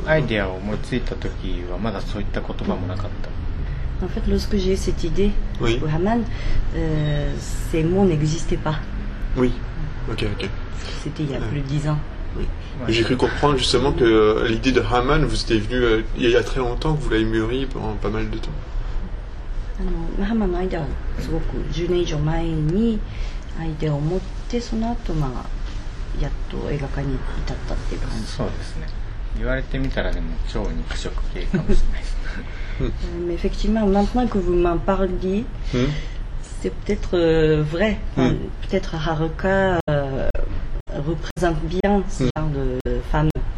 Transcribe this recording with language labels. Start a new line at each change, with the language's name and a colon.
Japanese: アイデアを思いついた時はまだそういった言葉もなかった。
French: En fait, lorsque j'ai eu cette idée pour Haman, ces mots n'existaient pas. Oui. Ok, ok. C'était il y a plus de 10 ans. Oui. Ouais. J'ai cru comprendre justement que l'idée de Haman vous était venue il y a très longtemps, que vous l'avez mûri pendant pas mal de temps.
Japanese: ハマのアイデアはすごく10年以上前にアイデアを持って、その後やっと映画化に至ったっていう感じ。そうですね、言われてみたらでも超肉食系かもしれないです。
French: Effectivement, maintenant que vous m'en parliez, c'est peut-être vrai. Peut-être Haruka représente bien ce genre de femme.